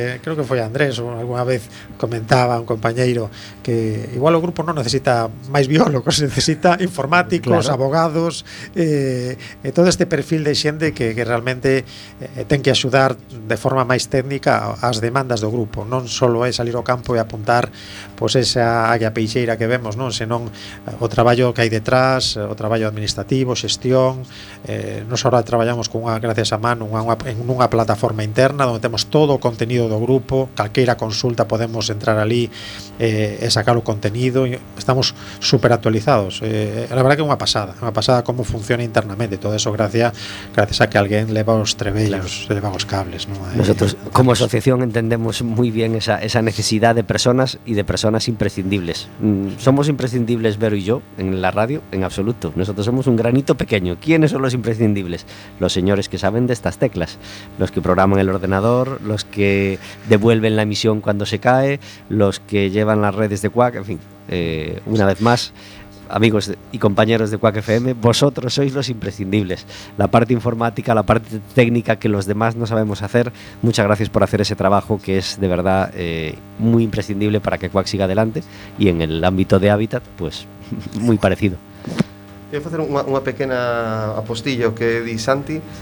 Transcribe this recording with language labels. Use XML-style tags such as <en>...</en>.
<gl>Creo que foi Andrés, ou alguna vez comentaba un compañeiro que igual o grupo non necesita máis biólogos, necesita informáticos, claro. Abogados, todo este perfil de xente que realmente ten que axudar de forma máis técnica ás demandas do grupo. Non só é salir ao campo e apuntar pois esa águia peixeira que vemos, non? Senón o traballo que hai detrás, o traballo administrativo, xestión. Nos agora traballamos con unha, gracias a Manu, unha en unha plataforma interna onde temos todo o contenido do grupo. Calqueira consulta podemos entrar ali e sacar o contenido. Estamos super actualizados. A verdade que é unha pasada como funciona internamente. Todo eso gracias a que alguén leva os trebellos, claro, leva os cables, ¿no?</gl> <es>Nosotros como asociación entendemos</es> <gl>moi ben</gl> <es>esa necesidad de personas e de personas imprescindibles. Somos imprescindibles Vero e yo en la radio, en absoluto. Nosotros somos un granito pequeño. ¿Quiénes son los imprescindibles? Los señores que saben de estas teclas, los que programan el ordenador, los que devuelven la emisión cuando se cae, los que llevan las redes de Quack, en fin. Una vez más, amigos y compañeros de Quack FM, vosotros sois los imprescindibles. La parte informática, la parte técnica que los demás no sabemos hacer, muchas gracias por hacer ese trabajo que es de verdad muy imprescindible para que Quack siga adelante, y en el ámbito de Hábitat, pues muy parecido.</es> <gl>Quiero facer unha pequena apostilla que di Santi.</gl>